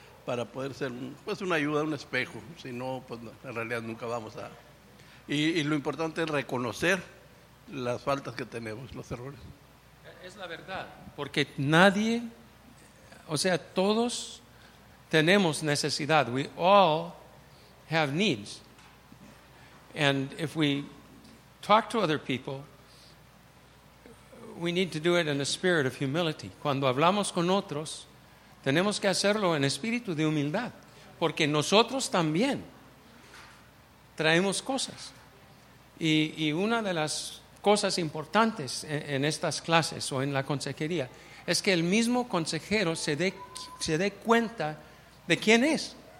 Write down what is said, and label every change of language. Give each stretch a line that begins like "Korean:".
Spanish: Para poder ser pues una ayuda, un espejo. Si no, pues no, en realidad nunca vamos a... Y lo importante es reconocer las faltas que tenemos, los errores. Es la verdad, porque nadie, o sea, todos tenemos necesidad.
English: We all have needs. And if we talk to other people, we need to do it in a spirit of humility.
Spanish: Cuando hablamos con otros, tenemos que hacerlo en espíritu de humildad, porque nosotros también traemos cosas. Y una de las cosas importantes en estas clases o en la consejería es que el mismo consejero se dé cuenta de quién es.